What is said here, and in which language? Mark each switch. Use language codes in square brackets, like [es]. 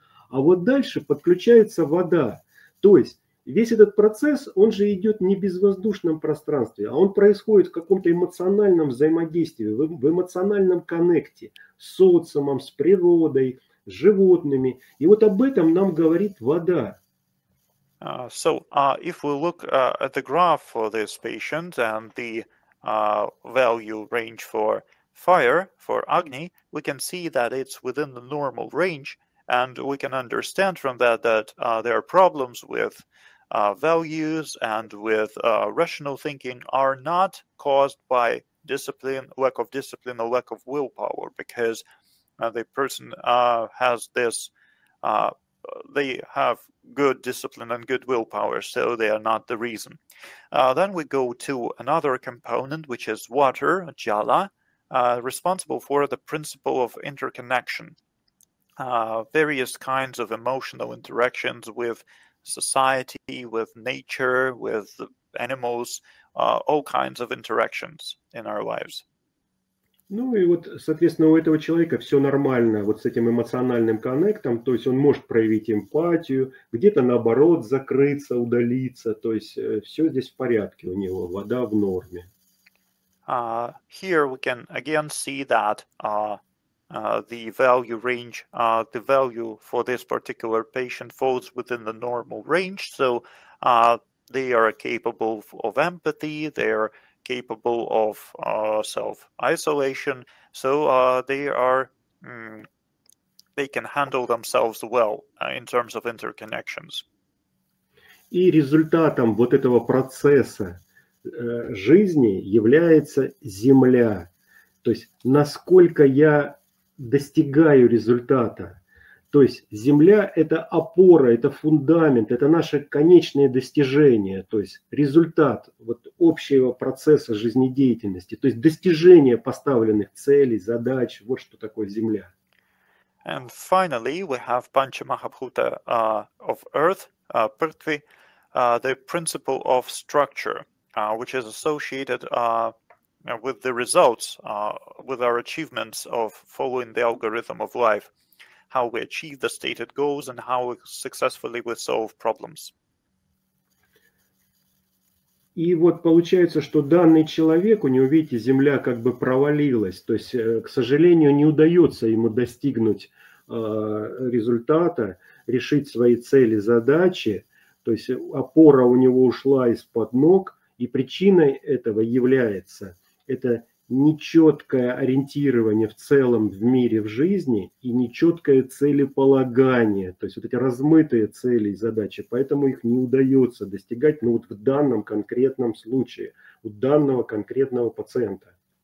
[ru] А вот дальше подключается вода. То есть, весь этот процесс, он же идет не в безвоздушном пространстве, а он происходит в каком-то эмоциональном взаимодействии, в эмоциональном коннекте с социумом, с природой, с животными. И вот об этом нам говорит вода. [en] If we look at the graph for this patient and the value range for fire, for Agni, we can see that it's within the normal range, and we can understand from that that there are problems with values and with rational thinking are not caused by discipline, lack of discipline, or lack of willpower, because the person has this, they have good discipline and good willpower, so they are not the reason. Then we go to another component, which is water, jala, responsible for the principle of interconnection, various kinds of emotional interactions with society, with nature, with animals, all kinds of interactions in our lives. [ru] Ну и вот, соответственно, у этого человека все нормально вот с этим эмоциональным коннектом, то есть он может проявить эмпатию, где-то наоборот закрыться, удалиться, то есть все здесь в порядке у него, вода в норме. [en] Here we can again see that the value range, the value for this particular patient falls within the normal range, so they are capable of empathy, they are capable of self-isolation, so they can handle themselves well in terms of interconnections. [ru] И результатом вот этого процесса жизни является земля. То есть насколько я достигаю результата. То есть земля – это опора, это фундамент, это наше конечное достижение, то есть результат вот общего процесса жизнедеятельности, то есть достижение поставленных целей, задач, вот что такое земля. [en] And finally, we have Pancha Mahabhuta of Earth, Prithvi, the principle of structure, which is associated with the results, with our achievements of following the algorithm of life. How we achieve the stated goals and how successfully we solve problems. [ru] И вот получается, что данный человек, у него, видите, земля как бы провалилась. То есть, к сожалению, не удается ему достигнуть результата, решить свои цели, задачи. То есть опора у него ушла из-под ног, и причиной этого является это нечеткое ориентирование в целом в мире, в жизни и нечеткое целеполагание, то есть вот эти размытые цели и задачи, поэтому их не удается достигать, ну вот в данном конкретном случае, у данного конкретного пациента.